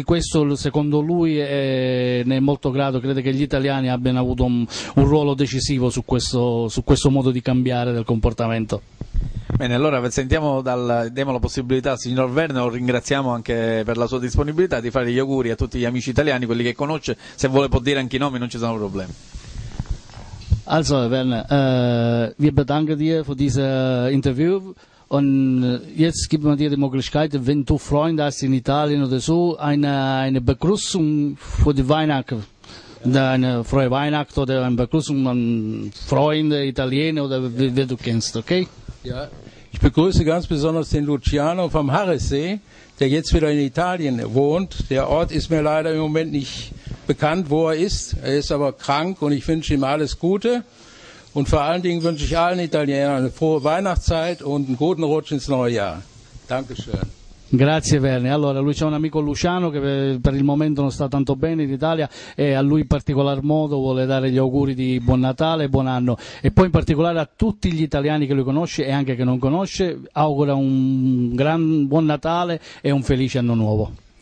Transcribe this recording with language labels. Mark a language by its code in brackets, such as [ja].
[it] Di questo secondo lui ne è molto grato, crede che gli italiani abbiano avuto un ruolo decisivo su questo modo di cambiare del comportamento. Bene, allora sentiamo, diamo la possibilità al signor Verne, lo ringraziamo anche per la sua disponibilità di fare gli auguri a tutti gli amici italiani, quelli che conosce, se vuole può dire anche i nomi, non ci sono problemi. [de] Also Verne, wir bedanken dir für diese Interview. Und jetzt gibt man dir die Möglichkeit, wenn du Freunde hast in Italien oder so, eine Begrüßung für die Weihnachten, ja. Eine frohe Weihnacht oder eine Begrüßung an Freunde, Italiener oder wer du kennst, okay? Ja, ich begrüße ganz besonders den Luciano vom Harresee, der jetzt wieder in Italien wohnt. Der Ort ist mir leider im Moment nicht bekannt, wo er ist. Er ist aber krank und ich wünsche ihm alles Gute. Und vor allen Dingen wünsche ich allen Italienern eine frohe Weihnachtszeit und einen guten Rutsch ins neue Jahr. Dankeschön. [it] Grazie Verne. Allora, lui c'è un amico Luciano che per il momento non sta tanto bene in Italia e a lui in particolar modo vuole dare gli auguri di Buon Natale e Buon Anno. E poi in particolare a tutti gli italiani che lui conosce e anche che non conosce, augura un gran Buon Natale e un felice Anno Nuovo.